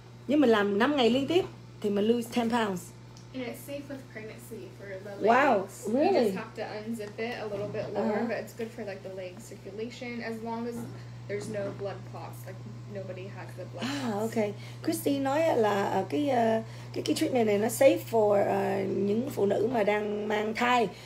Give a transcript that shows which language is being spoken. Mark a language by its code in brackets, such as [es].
[vi] Nếu mình làm 5 ngày liên tiếp thì mình [en] lose 10 pounds. And it's safe with pregnancy for the legs. Wow, really? You just have to unzip it a little bit lower, uh-huh. But it's good for like the leg circulation, as long as there's no blood clots, like nobody has the blood clots. Ah, okay. [vi] Christy nói là cái treatment này nó safe for những phụ nữ mà đang mang thai.